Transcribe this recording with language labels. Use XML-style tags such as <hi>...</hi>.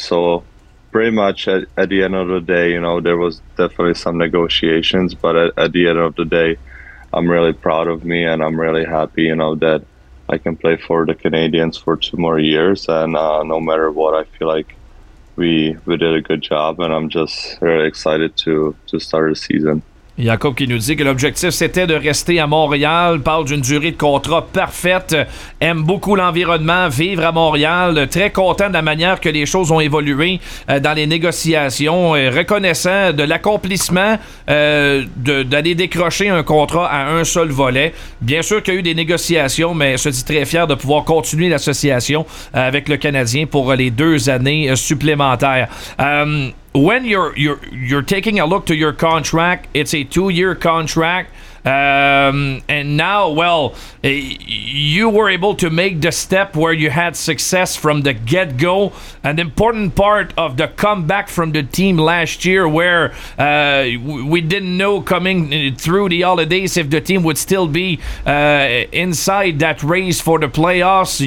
<en>So pretty much at the end of the day, you know, there was definitely some negotiations, but at the end of the day, I'm really proud of me and I'm really happy, you know, that I can play for the Canadiens for 2 more years. And no matter what, I feel like we did a good job and I'm just really excited to start the season.</en> <fr>Jakob qui nous dit que l'objectif c'était de rester à Montréal, parle d'une durée de contrat parfaite, aime beaucoup l'environnement, vivre à Montréal, très content de la manière que les choses ont évolué dans les négociations, et reconnaissant de l'accomplissement d'aller décrocher un contrat à un seul volet. Bien sûr qu'il y a eu des négociations, mais se dit très fier de pouvoir continuer l'association avec le Canadien pour les 2 années supplémentaires.</fr> <en>When you're taking a look to your contract, it's a 2-year contract, and now, well, you were able to make the step where you had success from the get-go, an important part of the comeback from the team last year where we didn't know coming through the holidays if the team would still be inside that race for the playoffs.</en>